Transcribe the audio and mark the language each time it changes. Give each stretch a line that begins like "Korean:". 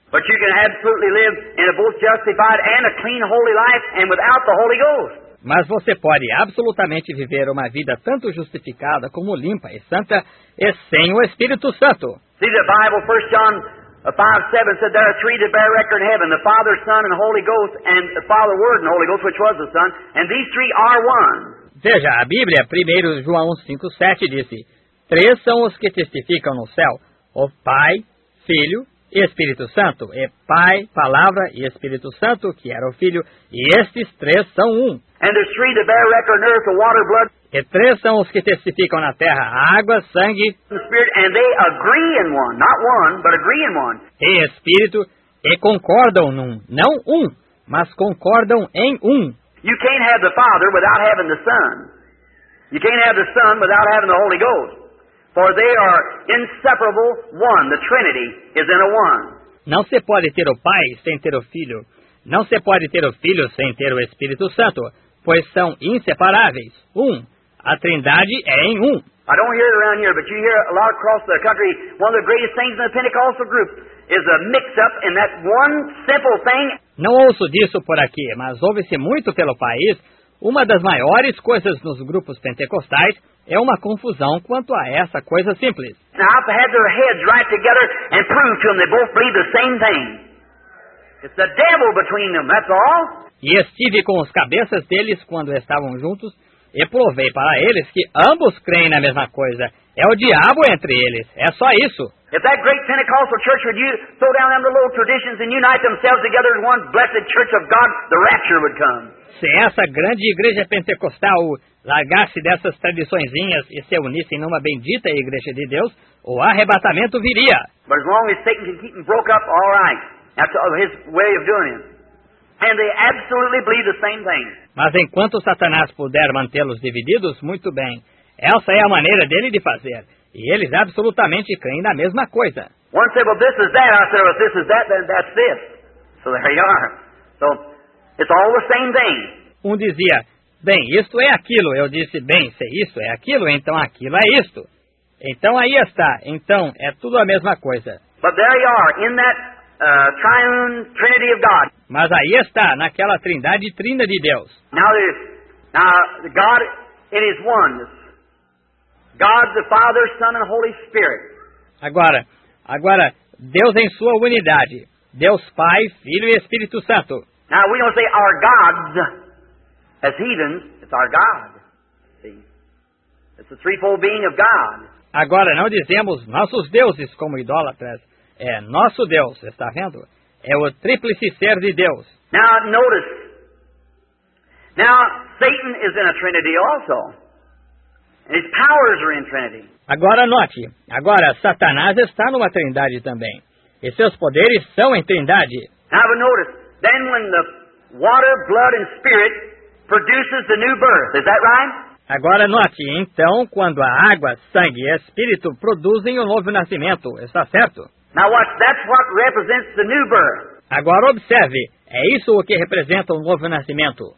English: But you can absolutely live in a both justified and a clean holy life and without the Holy Ghost.
Portuguese: Mas você pode absolutamente viver uma vida tanto justificada como limpa e santa e sem o Espírito Santo.
English: See the Bible, 1 John 5:7 said there are three that bear record in heaven, the Father, Son and Holy Ghost, and the Father, Word and Holy Ghost, which was the Son, and these three are one.
Portuguese: Veja, a Bíblia, 1 João 5:7 disse: três são os que testificam no céu, o Pai, Filho e Espírito Santo. É Pai, Palavra e Espírito Santo, que era o Filho, e estes três são um.
English: And there's three that bear record on earth, the water, blood.
Portuguese: E três são os que testificam na terra, água, sangue.
English: The Spirit, and they agree in one, not one, but agree in one.
Portuguese: E Espírito, e concordam num, não um, mas concordam em um.
English: You can't have the Father without having the Son. You can't have the Son without having the Holy Ghost. For they are inseparable one. The Trinity is in a one.
Portuguese: Não se pode ter o Pai sem ter o Filho. Não se pode ter o Filho sem ter o Espírito Santo, pois são inseparáveis. Um. A Trindade é em um.
English: I don't hear it around here, but you hear a lot across the country. One of the greatest things in the Pentecostal group is a mix-up in that one simple thing.
Portuguese: Não ouço disso por aqui, mas ouve-se muito pelo país. Uma das maiores coisas nos grupos pentecostais é uma confusão quanto a essa coisa simples.
English: Now, I've had their heads right together and proved to them they both believe the same thing. It's the devil between them, that's all.
Portuguese: E estive com as cabeças deles quando estavam juntos e provei para eles que ambos creem na mesma coisa. É o diabo entre eles, é só isso.
English: If that great Pentecostal church would you throw down their little traditions and unite themselves together as one blessed church of God, the rapture would come.
Portuguese: Se essa grande igreja pentecostal largasse dessas tradiçõezinhas e se unissem numa bendita igreja de Deus, o arrebatamento viria.
English: But as long as Satan can keep them broke up, all right. That's his way of doing it. And they absolutely believe the same thing.
Portuguese: Mas enquanto Satanás puder mantê-los divididos, muito bem. Essa é a maneira dele de fazer. E eles absolutamente creem na mesma coisa.
English: One said, well, this is that. I said, well, this is that, then that's this. So there you are. So it's all the same thing.
Portuguese: Um dizia, bem, isto é aquilo. Eu disse, bem, se isto é aquilo, então aquilo é isto. Então aí está. Então é tudo a mesma coisa.
English: But there you are, in that triune trinity of God.
Portuguese: Mas aí está, naquela trindade trina de Deus.
English: Now God in his oneness. God the Father, Son and Holy Spirit.
Portuguese: Agora, Deus em sua unidade. Deus Pai, Filho e Espírito Santo.
English: Now we don't say our gods as heathens, it's our God. See? It's the threefold being of God.
Portuguese: Agora não dizemos nossos deuses como idólatras. É nosso Deus, está vendo? É o tríplice ser de Deus.
English: Now notice. Now Satan is in a trinity also. His powers are in trinity.
Portuguese: Agora note. Agora Satanás está numa trindade também. E seus poderes são em trindade.
English: Now notice. Then when the water, blood and spirit produces the new birth. Is that right?
Portuguese: Agora note, então, quando a água, sangue e espírito produzem o novo nascimento, está certo?
English: Now watch, that's what represents the new birth.
Portuguese: Agora observe, é isso o que representa o novo nascimento.